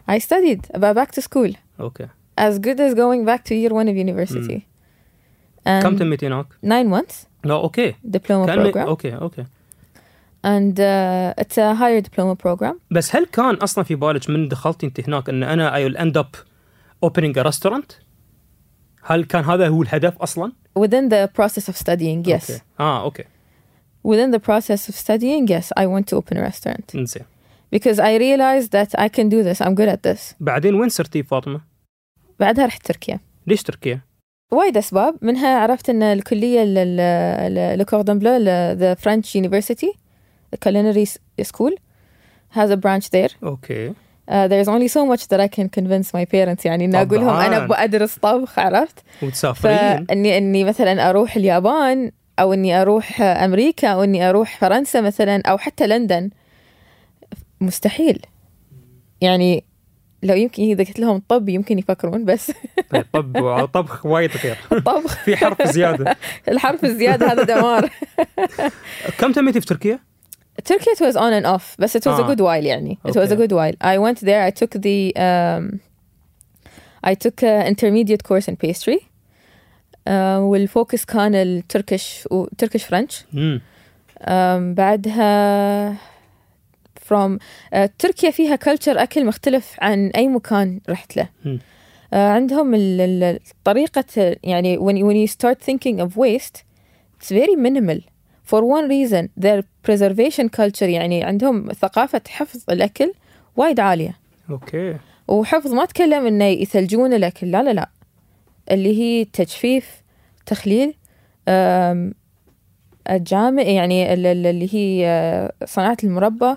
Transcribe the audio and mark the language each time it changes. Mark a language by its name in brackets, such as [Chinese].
[English] I studied back to school. Okay. As good as going back to year one of university. [Arabic] كم تميتي هناك؟ [English] 9 months. No, okay. Diploma program. Okay. And it's a higher diploma program. [Arabic] بس هل كان أصلا في بالك من دخلتي انت هناك ان انا [English] I will end up opening a restaurant؟ [Arabic] هل كان هذا هو الهدف أصلا؟ [English] Within the process of studying, yes. Okay. Okay. Within the process of studying, yes, I want to open a restaurant. [Arabic] انزين. [English] Because I realized that I can do this, I'm good at this. [Arabic] بعدين وين صرتي فاطمة؟ بعدها رحت تركيا. ليش تركيا؟ وايد أسباب، منها عرفت ان الكلية لكوردون بلو [English] the French University culinary school has a branch there. Okay. There's only so much that I can convince my parents. [Arabic] يعني إن أقولهم أنا أبغى أدرس طبخ, عرفت؟ وتسافرين. إني مثلاً أروح اليابان أو إني أروح أمريكا أو إني أروح فرنسا مثلاً أو حتى لندن, مستحيل. يعني لو يمكن إذا قلت لهم طب يمكن يفكرون, بس طب وطبخ وايد غير طبخ في حرف زيادة الحرف الزيادة هذا دمار. كم تميتي في تركيا؟ [English] تركيا it was on and off, بس it was a good while. يعني it was a good while. I went there, I took the I took an intermediate course in pastry, [Arabic] والفوكس كان التركيش وتركيش فرنش. بعدها from تركيا فيها كلتشر أكل مختلف عن أي مكان رحت له. عندهم الطريقة, يعني [English] when you start thinking of waste, it's very minimal for one reason, their preservation culture. [Arabic] يعني عندهم ثقافة حفظ الأكل وايد عالية. أوكي. وحفظ ما تكلم إنه يثلجون الأكل, لا لا لا, اللي هي تجفيف, تخليل, الجامع, يعني اللي هي صناعة المربى,